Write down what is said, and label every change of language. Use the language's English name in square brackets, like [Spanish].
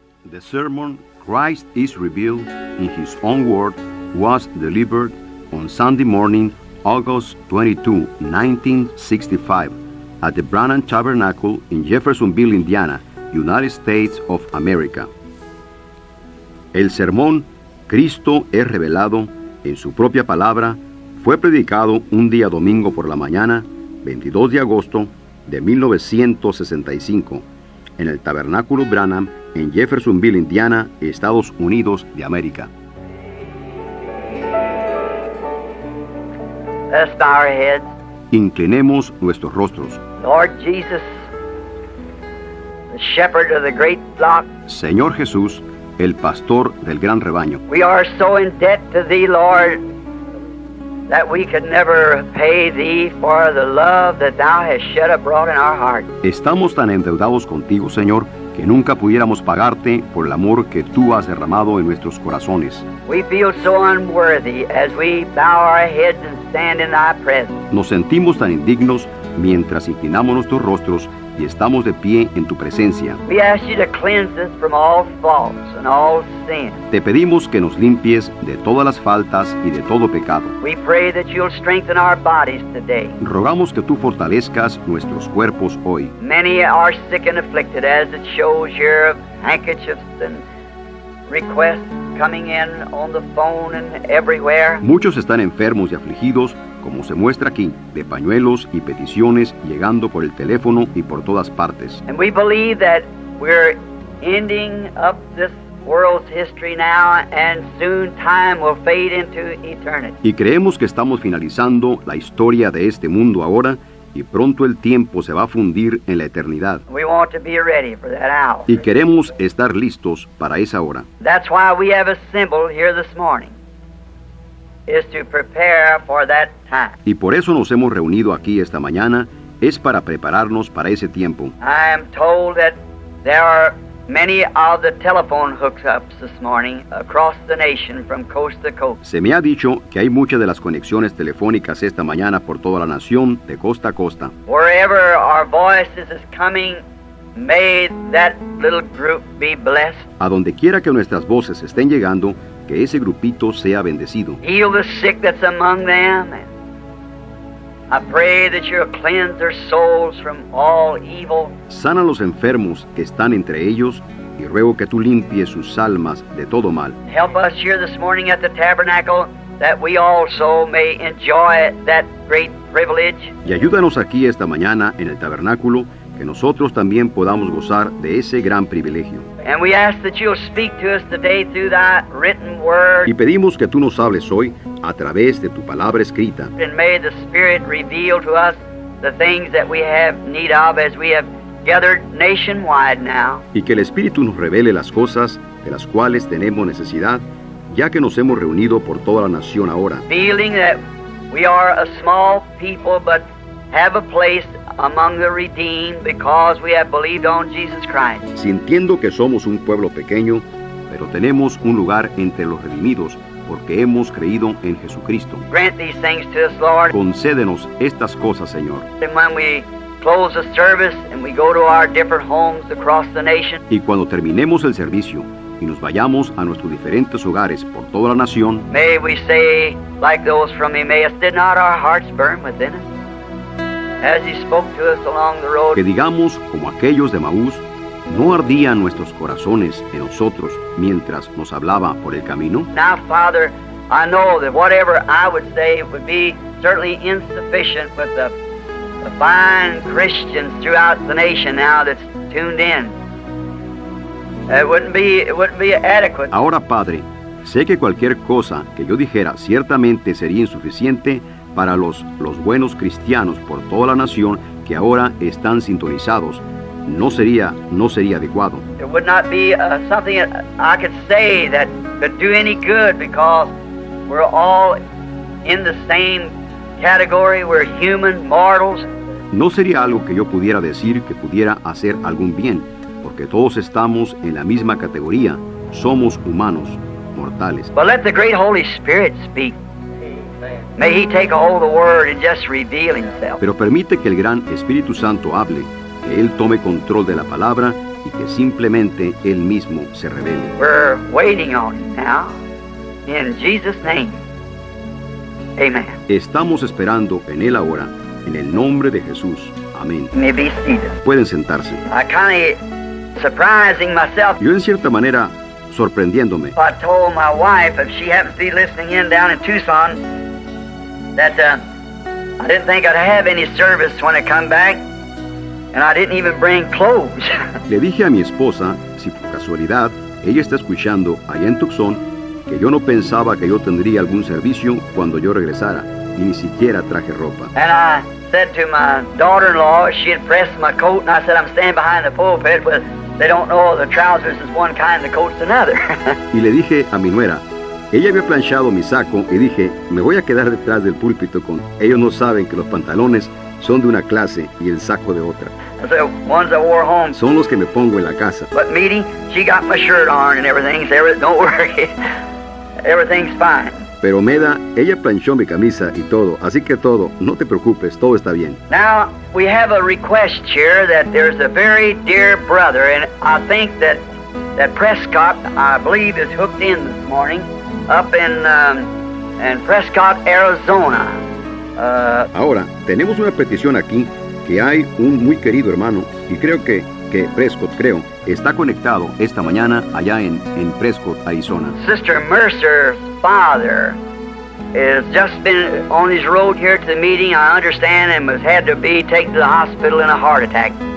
[English] The sermon Christ is revealed in his own word was delivered on Sunday morning, August 22, 1965, at the Branham Tabernacle in Jeffersonville, Indiana, United States of America. [Spanish] El sermón Cristo es revelado en su propia palabra fue predicado un día domingo por la mañana, 22 de agosto de 1965, en el Tabernáculo Branham, en Jeffersonville, Indiana, Estados Unidos de América. [English] Let's bow our heads. [Spanish] Inclinemos nuestros rostros. [English] Lord Jesus, the shepherd of the great flock. [Spanish] Señor Jesús, el pastor del gran rebaño. [English] We are so in debt to thee, Lord, that we could never pay thee for the love that thou hast shed abroad in our heart. [Spanish] Estamos tan endeudados contigo, Señor, que nunca pudiéramos pagarte por el amor que tú has derramado en nuestros corazones. [English] We feel so unworthy as we bow our heads and stand in thy presence. [Spanish] Nos sentimos tan indignos mientras inclinamos nuestros rostros y estamos de pie en tu presencia. [English] We ask you to cleanse us from all faults and all sin. [Spanish] Te pedimos que nos limpies de todas las faltas y de todo pecado. [English] We pray that you'll strengthen our bodies today. [Spanish] Rogamos que tú fortalezcas nuestros cuerpos hoy. [English] Many are sick and afflicted, as it shows your handkerchiefs and requests coming in on the phone and everywhere. [Spanish] Muchos están enfermos y afligidos, como se muestra aquí, de pañuelos y peticiones llegando por el teléfono y por todas partes. [English] And we believe that we're ending up this world's history now, and soon time will fade into eternity. [Spanish] Y creemos que estamos finalizando la historia de este mundo ahora, y pronto el tiempo se va a fundir en la eternidad. [English] We want to be ready for that hour. [Spanish] Y queremos estar listos para esa hora. [English] That's why we have assembled here this morning. Is to prepare for that time. [Spanish] Y por eso nos hemos reunido aquí esta mañana, es para prepararnos para ese tiempo. [English] I am told that there are many of the telephone hookups this morning across the nation from coast to coast. [Spanish] Se me ha dicho que hay muchas de las conexiones telefónicas esta mañana por toda la nación, de costa a costa. [English] Wherever our voices is coming, may that little group be blessed. [Spanish] A donde quiera que nuestras voces estén llegando, que ese grupito sea bendecido. [English] Heal the sick that's among them. I pray that you'll cleanse their souls from all evil. [Spanish] Sana los enfermos que están entre ellos y ruego que tú limpies sus almas de todo mal. [English] Help us here this morning at the tabernacle that we also may enjoy that great privilege. [Spanish] Y ayúdanos aquí esta mañana en el tabernáculo que nosotros también podamos gozar de ese gran privilegio. [English] And we ask that you'll speak to us today through thy written word. [Spanish] Y pedimos que tú nos hables hoy a través de tu palabra escrita. [English] And may the Spirit reveal to us the things that we have need of as we have gathered nationwide now. [Spanish] Y que el Espíritu nos revele las cosas de las cuales tenemos necesidad, ya que nos hemos reunido por toda la nación ahora. [English] Feeling that we are a small people but have a place among the redeemed because we have believed on Jesus Christ. [Spanish] Sintiendo que somos un pueblo pequeño, pero tenemos un lugar entre los redimidos porque hemos creído en Jesucristo. [English] Grant these things to us, Lord. [Spanish] Concédenos estas cosas, Señor. [English] And when we close the service and we go to our different homes across the nation. [Spanish] Y cuando terminemos el servicio y nos vayamos a nuestros diferentes hogares por toda la nación. [English] May we say like those from Emmaus, did not our hearts burn within us? As he spoke to us along the road. [Spanish] Que digamos como aquellos de Maús, ¿no ardían nuestros corazones en nosotros mientras nos hablaba por el camino? [English] Now, Father, I know that whatever I would say would be certainly insufficient with the fine Christians throughout the nation now that's tuned in. It wouldn't be adequate. [Spanish] Ahora, Padre, sé que cualquier cosa que yo dijera ciertamente sería insuficiente para los buenos cristianos por toda la nación que ahora están sintonizados, no sería adecuado. [English] It would not be something I could say that could do any good because we're all in the same category, we're human mortals. [Spanish] No sería algo que yo pudiera decir que pudiera hacer algún bien, porque todos estamos en la misma categoría, somos humanos, mortales. [English] But let the great Holy Spirit speak. May he take a hold of the word and just reveal himself. [Spanish] Pero permite que el gran Espíritu Santo hable, que él tome control de la palabra y que simplemente Él mismo se revele. [English] We're waiting on it now. In Jesus' name. Amen. [Spanish] Estamos esperando en Él ahora, en el nombre de Jesús. Amén. [English] May be seated. [Spanish] Pueden sentarse. [English] I kind of surprising myself. [Spanish] Yo en cierta manera, sorprendiéndome. [English] I told my wife, if she happens to be listening in down in Tucson, that I didn't think I'd have any service when I come back. And I didn't even bring clothes. [Spanish] Le dije a mi esposa, si por casualidad ella está escuchando allá en Tucson, que yo no pensaba que yo tendría algún servicio cuando yo regresara, y ni siquiera traje ropa. [English] And I said to my daughter-in-law, she had pressed my coat, and I said, I'm standing behind the pulpit, but they don't know the trousers is one kind, the coat's another. [Spanish] Y le dije a mi nuera, ella había planchado mi saco, y dije, me voy a quedar detrás del púlpito con, ellos no saben que los pantalones son de una clase y el saco de otra. [English] So, ones I wore home. [Spanish] Son los que me pongo en la casa. [English] But Meaty, she got my shirt on and everything, so don't worry. Everything's fine. [Spanish] Pero Meda, ella planchó mi camisa y todo, así que todo, no te preocupes, todo está bien. [English] Now, we have a request here that there's a very dear brother, and I think that Prescott, I believe, is hooked in this morning, up in Prescott, Arizona. [Spanish] Ahora, tenemos una petición aquí, que hay un muy querido hermano, y creo que Prescott, creo, está conectado esta mañana allá en Prescott, Arizona. [English] Sister Mercer's father has just been on his road here to the meeting, I understand, and has had to be taken to the hospital in a heart attack.